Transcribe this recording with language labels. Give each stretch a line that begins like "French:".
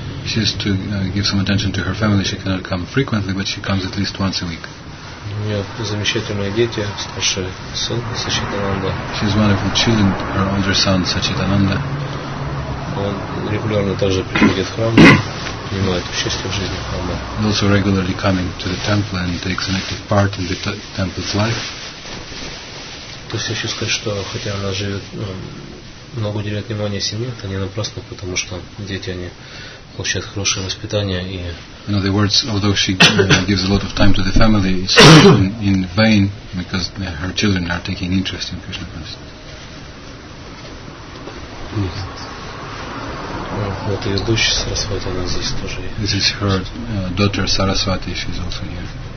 English: She has to give some attention to her family. She cannot come frequently, but she comes at least once a week.
Russian: У нее замечательные дети, старший сын Сачитананда.
English: She has wonderful children, her older son Сачитананда.
Russian: Он регулярно также приходит в храм, принимает участие в жизни храма.
English: He also regularly coming to the temple and takes an active part in the temple's life.
Russian: То есть я хочу сказать, что хотя она живет, много уделяет внимания семье, это не напрасно, потому что дети они получают хорошее воспитание и.
English: In other words, although she gives a lot of time to the family, it's in vain because her children are taking interest in Krishna consciousness. This is her daughter Saraswati, she's also here.